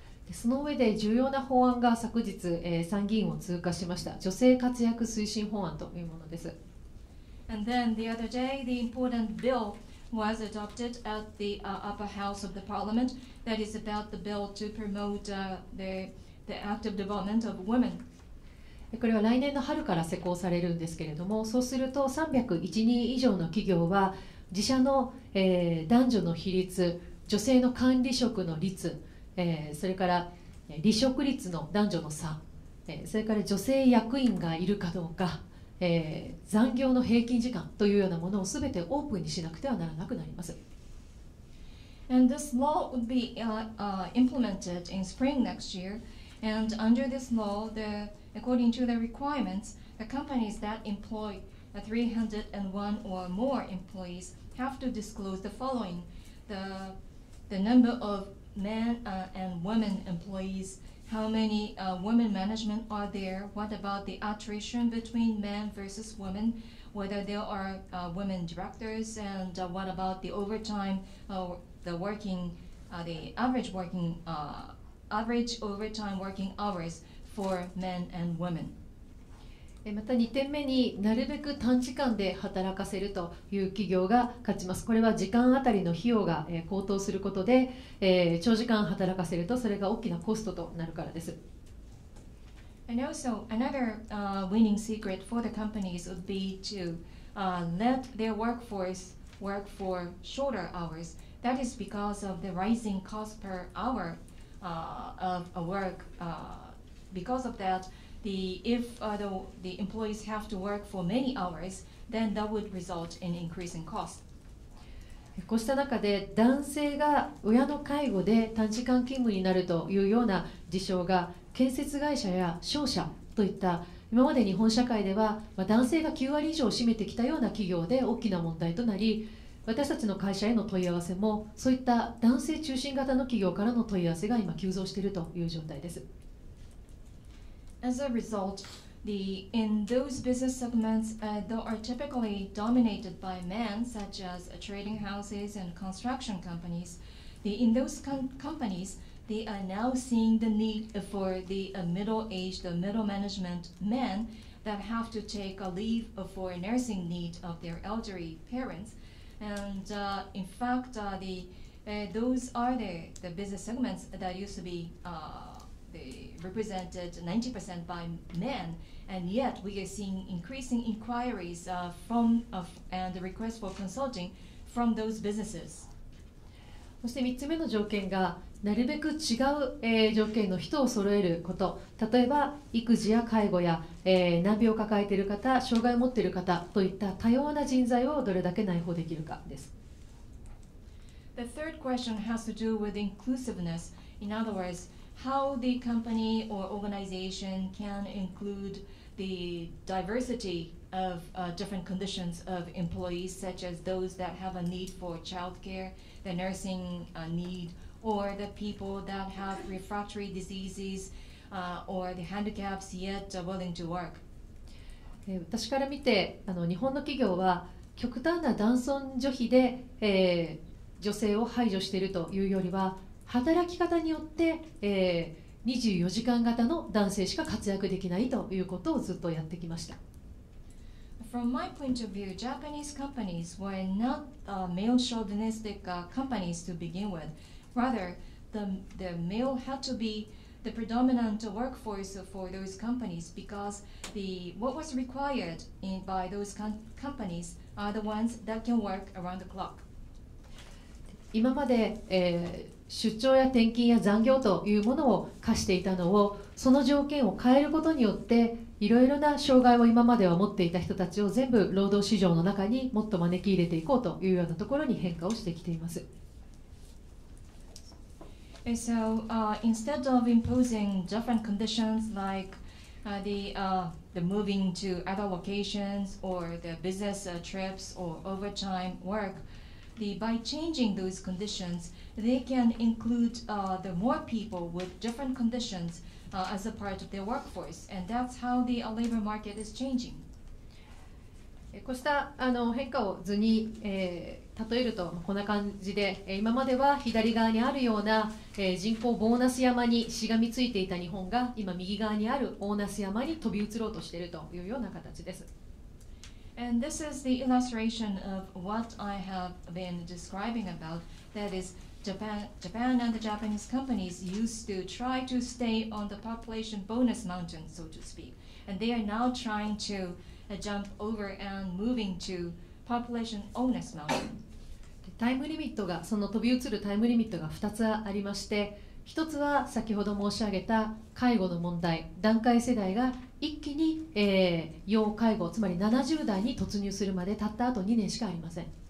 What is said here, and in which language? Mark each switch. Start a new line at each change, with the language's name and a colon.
Japanese: その上で重要な法案が昨日、参議院を通過しました。女性活躍推進法案というものです。
English: And then the other day, the important bill. Was adopted at the upper house of the parliament. That is about the bill to promote the active development of women.
Japanese: これは来年の春から施行されるんですけれども、そうすると301人以上の企業は自社の男女の比率、女性の管理職の率、それから離職率の男女の差、それから女性役員がいるかどうか。残業の平均時間というようなものをすべてオープンにしなくてはならなくなります。
English: And this law would be implemented in spring next year. And under this law, according to the requirements, the companies that employ 301 or more employees have to disclose the following: the number of men and women employees. How many women management are there? What about the attrition between men versus women? Whether there are women directors and what about the overtime, average overtime working hours for men and women?
Japanese: また2点目になるべく短時間で働かせるという企業が勝ちます。これは時間あたりの費用が高騰することで、長時間働かせるとそれが大きなコストとなるからです。
English: And also another winning secret for the companies would be to let their workforce work for shorter hours. That is because of the rising cost per hour of a work. Because of that,If the employees have to work for many hours, then that would result in increasing cost.
Japanese: こうした中で男性が親の介護で短時間勤務になるというような事象が建設会社や商社といった今まで日本社会では男性が9割以上を占めてきたような企業で大きな問題となり、私たちの会社への問い合わせもそういった男性中心型の企業からの問い合わせが今急増しているという状態です。
English: As a result, in those business segments that are typically dominated by men, such as trading houses and construction companies, they are now seeing the need for the middle-aged, the middle management men that have to take a leave for a nursing need of their elderly parents. And in fact, those are the business segments that used to be the represented 90% by men, and yet we are seeing increasing inquiries from and requests for consulting from those businesses.
Japanese: そして3つ目の条件がなるべく違う、条件の人を揃えること、例えば育児や介護や、難病を抱えている方、障害を持っている方といった多様な人材をどれだけ内包できるかです。
English: The third question has to do with inclusiveness. In other words, how the company or organization can include the diversity of different conditions of employees, such as those that have a need for childcare, the nursing need,or the people that have refractory diseases, or the handicaps yet willing to work.
Japanese: 私から見て、日本の企業は極端な男尊女卑で、女性を排除しているというよりは、働き方によって、24時間型の男性しか活躍できないということをずっとやってきました。
English: From my point of view, Japanese companies were not male chauvinistic companies to begin with. Rather, the male had to be the predominant workforce for those companies because what was required by those companies are the ones that can work around the clock.
Japanese: 今まで、出張や転勤や残業というものを課していたのを、その条件を変えることによって、いろいろな障害を今までは持っていた人たちを全部労働市場の中にもっと招き入れていこうというようなところに変化をしてきています。
English: So instead of imposing different conditions like the moving to other locations or the business trips or overtime work, by changing those conditions, they can include the more people with different conditions as a part of their workforce. And that's how the labor market is changing.
Japanese: こうした変化を図に、例えるとこんな感じで、今までは左側にあるような人口ボーナス山にしがみついていた日本が、今右側にあるボーナス山に飛び移ろうとしているというような形です。
English: And this is the illustration of what I have been describing about. That is Japan and the Japanese companies used to try to stay on the population bonus mountain, so to speak. And they are now trying to jump over and moving toPopulation onus mountain.
Japanese: タイムリミットが、その飛び移るタイムリミットが2つありまして、1つは先ほど申し上げた介護の問題、団塊世代が一気に、要介護、つまり70代に突入するまでたったあと2年しかありません。